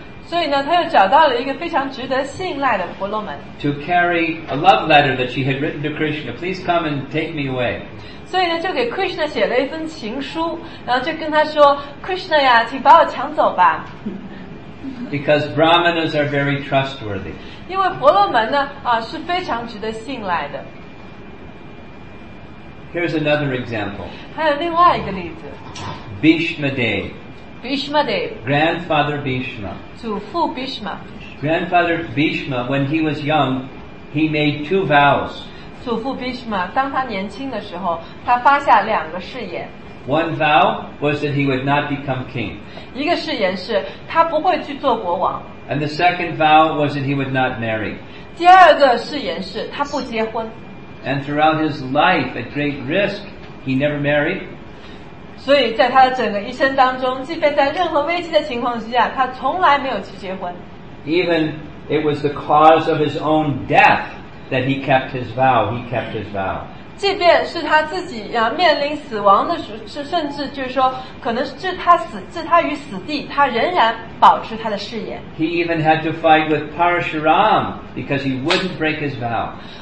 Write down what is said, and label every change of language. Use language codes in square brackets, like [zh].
[zh] 所以呢，她又找到了一个非常值得信赖的婆罗门。 [en] To carry a love letter that she had written to Krishna, please come and take me away. [zh] 所以呢，就给 Krishna 写了一封情书，然后就跟他说 ，Krishna 呀，请把我抢走吧。 [en] Because Brahmanas are very trustworthy. [zh] 因为婆罗门呢，是非常值得信赖的。 [en] Here's another example. [zh] 还有另外一个例子。 [en] Bhishma Dev. Grandfather Bhishma. [zh] 祖父 Bhishma. [en] Grandfather Bhishma, when he was young, he made two vows. [zh] 祖父 Bhishma, 当他年轻的时候，他发下两个誓言。 [en] One vow was that he would not become king. [zh] 一个誓言是他不会去做国王。 [en] And the second vow was that he would not marry. [zh] 第二个誓言是他不结婚。 [en] And throughout his life, at great risk, he never married. [zh] 所以在他的整个一生当中，即便在任何危机的情况之下，他从来没有去结婚。 [en] Even it was the cause of his own death that he kept his vow. He kept his vow. [zh] 即便是他自己面临死亡的时候，甚至就是说，可能是置他于死地，他仍然保持他的誓言。 [en] He even had to fight with Parashuram because he wouldn't break his vow.